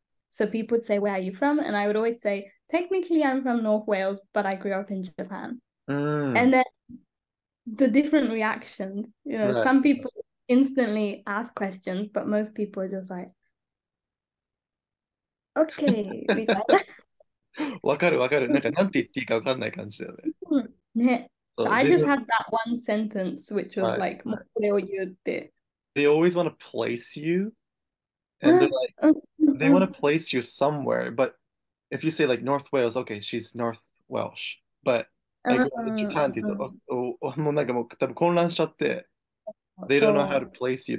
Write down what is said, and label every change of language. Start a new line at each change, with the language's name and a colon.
English: So people would say, where are you from? And I would always say, technically, I'm from North Wales, but I grew up in Japan. And then the different reactions, you know, some people instantly ask questions, but most people are just like, okay.
Japanese: わかる。なんか、なんて言っていいかわかんない感じだよね。
English: So I just had that one sentence, which was like, they always want to place you. And they're like, they want to place you somewhere. But if you say like North Wales, okay, she's North Welsh. But they don't know how to place you.